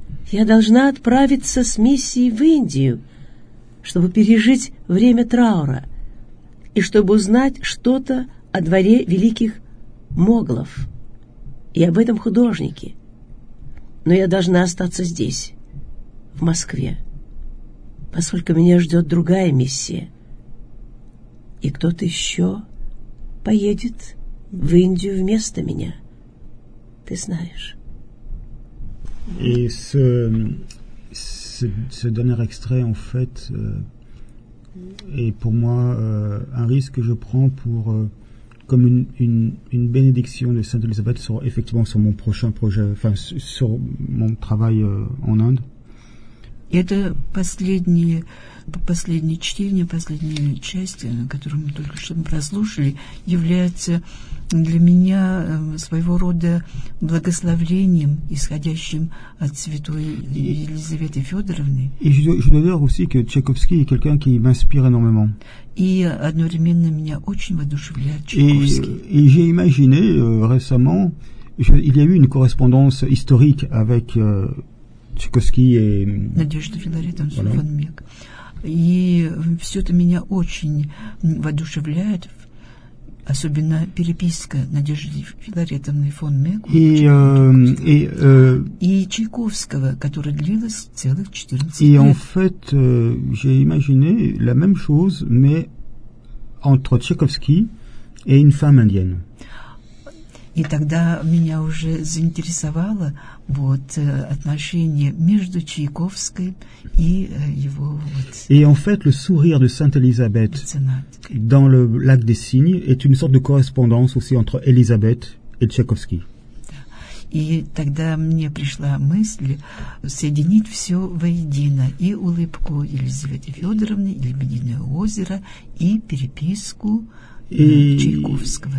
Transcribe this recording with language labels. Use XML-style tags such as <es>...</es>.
<ru>Я должна отправиться с миссией в Индию, чтобы пережить время траура и чтобы узнать что-то о дворе великих моглов и об этом художнике. Но я должна остаться здесь, в Москве, поскольку меня ждет другая миссия. И кто-то еще поедет в Индию вместо меня. Ты знаешь...</ru> <fr>Et ce dernier extrait, en fait, est pour moi un risque que je prends pour, comme une bénédiction de Sainte Elisabeth sur, effectivement, sur mon prochain projet, enfin, sur mon travail en Inde.</fr> <ru>Et последнее чтение, последняя часть, которую мы только что прослушали, является для меня своего рода благословением, исходящим от святой Елизаветы Федоровны.</ru> <fr>И je dois dire aussi que Tchaïkovski est quelqu'un qui m'inspire énormément.</fr> <ru>И одновременно меня очень воодушевляет Чайковский.</ru> <fr>Et j'ai imaginé récemment, il y a eu une correspondance historique avec Tchaïkovski et</fr> <ru>Надежда Филаретовна фон Мек. И все это меня очень воодушевляет, особенно переписка Надежды Филаретовны фон Мек и Чайковского, которая длилась целых 14 лет.</ru> <fr>И, en fait, j'ai imaginé la même chose, mais entre Tchaïkovski et une femme indienne.</fr> <ru>И тогда меня уже заинтересовало вот отношение между Чайковской и его вот.</ru> <fr>Et en fait, le sourire de Sainte Elisabeth dans le lac des cygnes est une sorte de correspondance aussi entre Elisabeth et Tchaïkovski.</fr> <ru>И тогда мне пришла мысль соединить все воедино. И улыбку Елизаветы Федоровны, и Лебединое озеро, и переписку Чайковского.</ru>